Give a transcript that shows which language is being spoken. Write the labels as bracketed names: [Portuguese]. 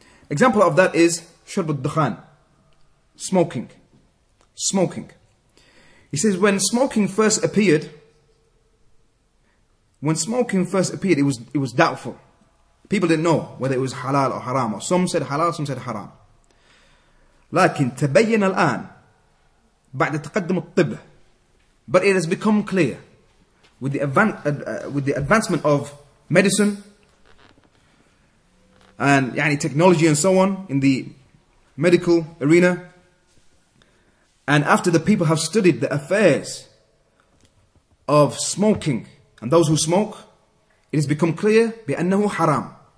[English] Example of that is [Arabic] شرب الدخان, [English] smoking. Smoking. He says, when smoking first appeared, it was doubtful. People didn't know whether it was halal or haram. Or some said halal, some said haram. [Arabic] لكن تبين الآن بعد تقدم الطب. [English] But it has become clear with the advancement of medicine and يعني technology and so on in the medical arena. And after the people have studied the affairs of smoking and those who smoke, it has become clear بِأَنَّهُ haram.